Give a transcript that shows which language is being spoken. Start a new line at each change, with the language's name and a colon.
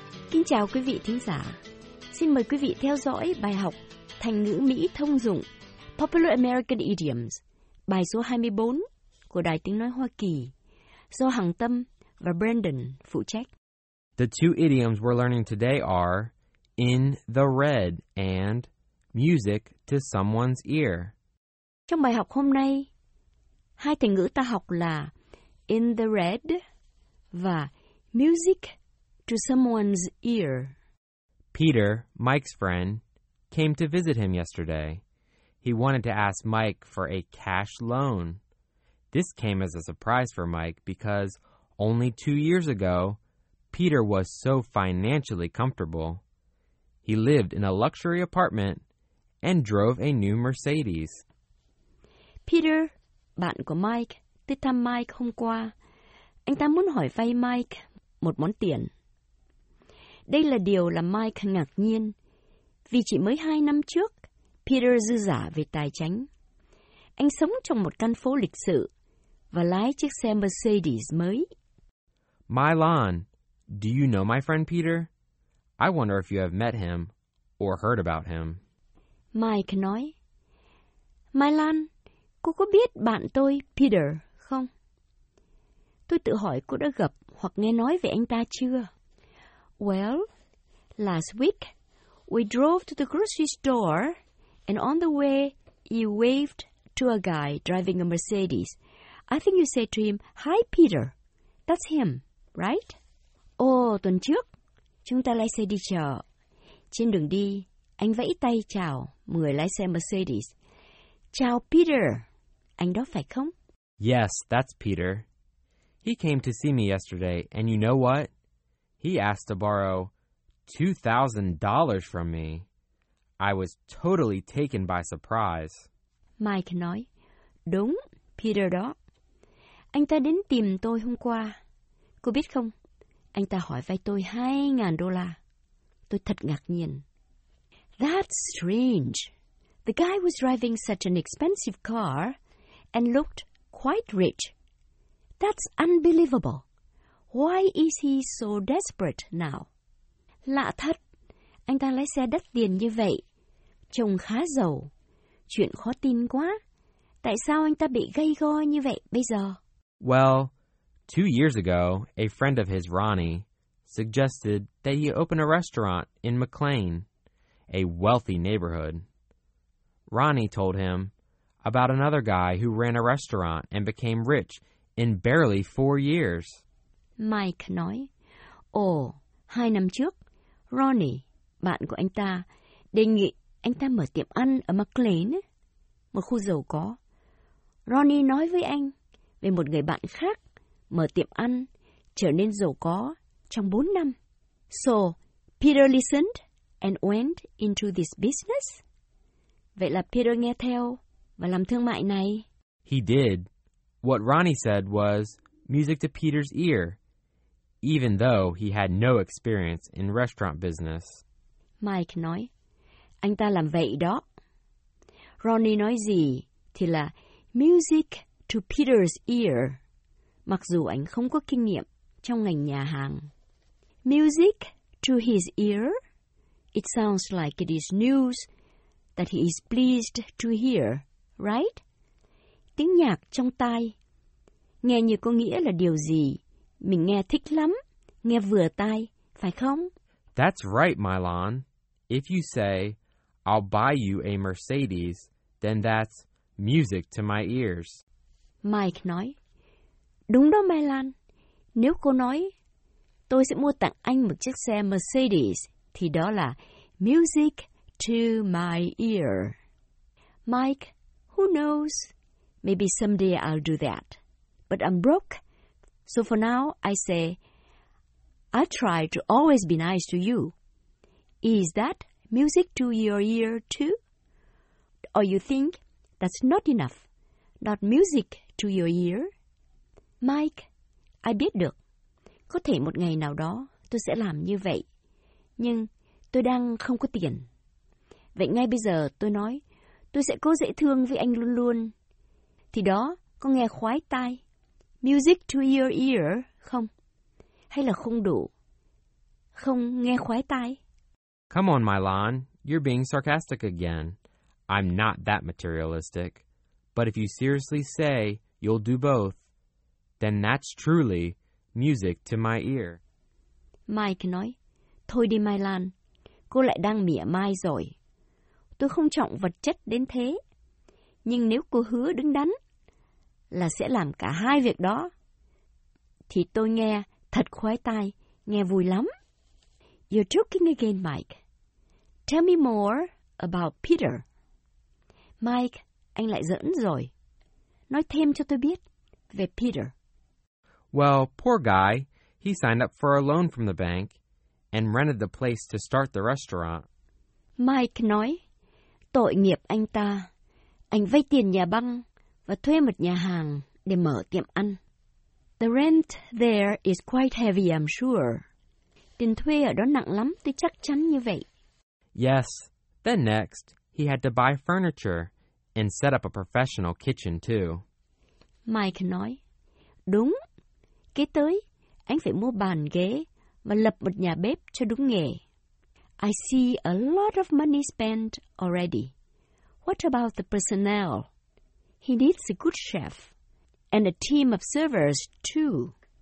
Vietnamese: Kính chào quý vị thính giả. Xin mời quý vị theo dõi bài học Thành ngữ Mỹ thông dụng
English: Popular American Idioms,
Vietnamese: bài số 24 của Đài Tiếng Nói Hoa Kỳ, do Hằng Tâm và Brandon phụ trách.
English: The two idioms we're learning today are in the red and music to someone's ear.
Vietnamese: Trong bài học hôm nay, hai thành ngữ ta học là
English: in the red
Vietnamese: và
English: music to someone's ear. Peter, Mike's friend, came to visit him yesterday. He wanted to ask Mike for a cash loan. This came as a surprise for Mike because only 2 years ago, Peter was so financially comfortable. He lived in a luxury apartment and drove a new Mercedes.
Vietnamese: Peter, bạn của Mike, tới thăm Mike hôm qua. Anh ta muốn hỏi vay Mike một món tiền. Đây là điều làm Mike ngạc nhiên, vì chỉ mới 2 năm trước, Peter dư giả về tài chánh. Anh sống trong một căn phố lịch sự và lái chiếc xe Mercedes mới.
English: Milan, do you know my friend Peter? I wonder if you have met him or heard about him.
Vietnamese: Mike nói, Milan, cô có biết bạn tôi Peter không? Tôi tự hỏi cô đã gặp hoặc nghe nói về anh ta chưa?
English: Well, last week, we drove to the grocery store, and on the way, you waved to a guy driving a Mercedes. I think you said to him, hi, Peter. That's him, right?
Vietnamese: Oh, tuần trước, chúng ta lái xe đi chợ. Trên đường đi, anh vẫy tay chào người lái xe Mercedes. Chào, Peter. Anh đó phải không?
English: Yes, that's Peter. He came to see me yesterday, and you know what? He asked to borrow $2,000 from me. I was totally taken by surprise.
Vietnamese: Mike nói, đúng, Peter đó. Anh ta đến tìm tôi hôm qua. Cô biết không, anh ta hỏi vay tôi $2,000. Tôi thật ngạc nhiên.
English: That's strange. The guy was driving such an expensive car and looked quite rich. That's unbelievable. Why is he so desperate now?
Vietnamese: Lạ thật, anh ta lái xe đắt tiền như vậy. Trông khá giàu. Chuyện khó tin quá. Tại sao anh ta bị gay go như vậy bây giờ?
English: Well, 2 years ago, a friend of his, Ronnie, suggested that he open a restaurant in McLean, a wealthy neighborhood. Ronnie told him about another guy who ran a restaurant and became rich in barely 4 years.
Vietnamese: Mike nói, ồ, 2 năm trước, Ronnie, bạn của anh ta, đề nghị anh ta mở tiệm ăn ở McLean, một khu giàu có. Ronnie nói với anh về một người bạn khác mở tiệm ăn, trở nên giàu có trong 4 năm.
English: So, Peter listened and went into this business?
Vietnamese: Vậy là Peter nghe theo và làm thương mại này.
English: He did. What Ronnie said was music to Peter's ear, even though he had no experience in restaurant business.
Vietnamese: Mike nói, anh ta làm vậy đó. Ronnie nói gì thì là
English: music to Peter's ear,
Vietnamese: mặc dù anh không có kinh nghiệm trong ngành nhà hàng.
English: Music to his ear? It sounds like it is news that he is pleased to hear, right?
Vietnamese: Tiếng nhạc trong tai. Nghe như có nghĩa là điều gì? Mình nghe thích lắm, nghe vừa tai, phải không?
English: That's right, Milan. If you say, I'll buy you a Mercedes, then that's music to my ears.
Vietnamese: Mike nói, đúng đó, Milan. Nếu cô nói, tôi sẽ mua tặng anh một chiếc xe Mercedes, thì đó là
English: music to my ear. Mike, who knows? Maybe someday I'll do that. But I'm broke, so for now I say, I try to always be nice to you. Is that music to your ear too? Or you think that's not enough, not music to your ear?
Vietnamese: Mike, I biết được. Có thể một ngày nào đó tôi sẽ làm như vậy. Nhưng tôi đang không có tiền. Vậy ngay bây giờ tôi nói, tôi sẽ cố dễ thương với anh luôn luôn. Thì đó có nghe khoái tai.
English: Music to your ear,
Vietnamese: không? Hay là không đủ? không nghe khoái tai.
English: Come on, Milan. You're being sarcastic again. I'm not that materialistic. But if you seriously say you'll do both, then that's truly music to my ear.
Vietnamese: Mike nói, thôi đi Milan, cô lại đang mỉa mai rồi. Tôi không trọng vật chất đến thế. Nhưng nếu cô hứa đứng đắn là sẽ làm cả hai việc đó, thì tôi nghe thật khoái tai, nghe vui lắm.
English: You're joking again, Mike. Tell me more about Peter.
Vietnamese: Mike, anh lại giỡn rồi. Nói thêm cho tôi biết về Peter.
English: Well, poor guy. He signed up for a loan from the bank and rented the place to start the restaurant.
Vietnamese: Mike nói, tội nghiệp anh ta. Anh vay tiền nhà băng và thuê một nhà hàng để mở tiệm ăn.
English: The rent there is quite heavy, I'm sure.
Vietnamese: Tiền thuê ở đó nặng lắm, tôi chắc chắn như vậy.
English: Yes. Then next, he had to buy furniture and set up a professional kitchen, too.
Vietnamese: Mike nói, đúng. Kế tới, anh phải mua bàn ghế và lập một nhà bếp cho đúng nghề.
English: I see a lot of money spent already. What about the personnel? He needs a good chef and a team of servers, too.